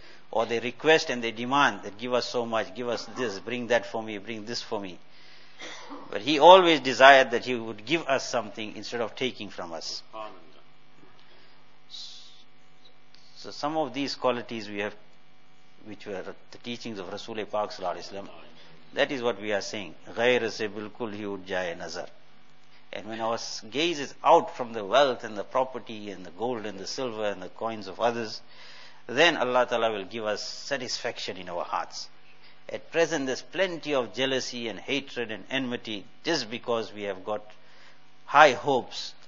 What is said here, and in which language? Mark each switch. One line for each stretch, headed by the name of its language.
English: Or they request and they demand that give us so much, give us this, bring that for me, bring this for me. But he always desired that he would give us something instead of taking from us. So some of these qualities we have, which were the teachings of Rasulullah Pak Sallallahu Alaihi Wasallam, that is what we are saying.
Urdu: غير سے بالکل ہی اٹھ جائے نظر.
English: And when our gaze is out from the wealth and the property and the gold and the silver and the coins of others, then Allah Ta'ala will give us satisfaction in our hearts. At present there's plenty of jealousy and hatred and enmity just because we have got high hopes.